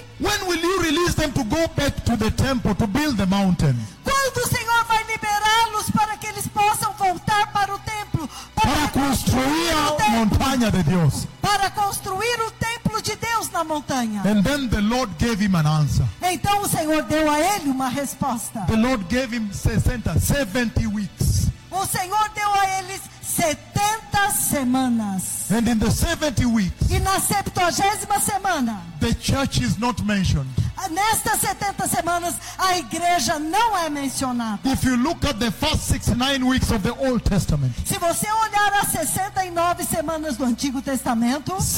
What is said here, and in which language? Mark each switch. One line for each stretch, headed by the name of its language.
English: When will you release them to go back to the temple? To build the mountain.
Portuguese: Quando o Senhor vai liberá-los para que eles possam voltar para o templo, para construir a montanha de Deus. Para construir o templo de Deus na montanha.
English: And then the Lord gave him an answer.
Portuguese: Então o Senhor deu a ele uma resposta.
English: The Lord gave him 70 weeks.
Portuguese: O Senhor deu a eles 70 semanas.
English: And in the 70 weeks.
Portuguese: E na 70ª semana.
English: The church is not mentioned.
Portuguese: Nestas 70 semanas a igreja não é mencionada.
English: If you look at the first 69 weeks of the Old Testament.
Portuguese: Se você olhar as 69 semanas do Antigo Testamento.